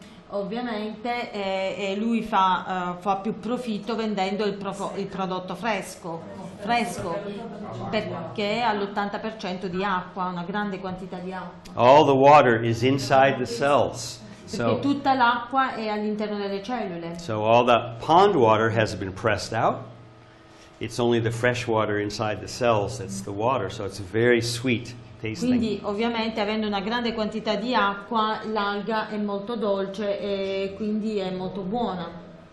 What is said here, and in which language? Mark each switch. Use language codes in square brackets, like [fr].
[it] Ovviamente lui fa più profitto vendendo il prodotto fresco perché è all'80% di acqua, una grande quantità di acqua. [en] All the water is inside the cells. [it] So, perché tutta l'acqua è all'interno delle cellule. [en] So all the pond water has been pressed out. It's only the fresh water inside the cells that's the water, so it's very sweet. Tasting. [it] Quindi ovviamente avendo una grande quantità di acqua l'alga è molto dolce e quindi è molto buona.